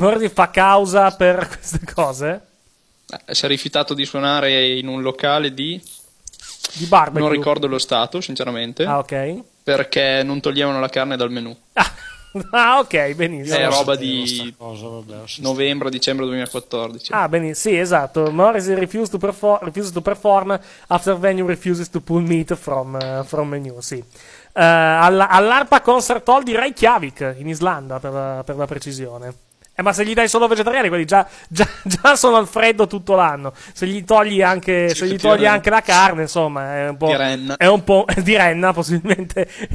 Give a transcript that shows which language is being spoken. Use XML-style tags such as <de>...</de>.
<it>Morrissey fa causa per queste cose? Si è rifiutato di suonare in un locale di barbecue. Non ricordo lo stato, sinceramente. Ah, ok. Perché non toglievano la carne dal menù. Ah, ok, benissimo. È roba di novembre-dicembre 2014. Ah, benissimo, sì, esatto.</it> <en>Morrissey refuses to perform after venue refuses to pull meat from menu, sì.</en> <it>All'Arpa Concert Hall di Reykjavik, in Islanda, per la precisione. Ma se gli dai solo vegetariani, quelli già sono al freddo tutto l'anno. Se gli togli anche, sì, se gli togli anche la carne, insomma, è un po' di renna. È un po' di renna, possibilmente.</it>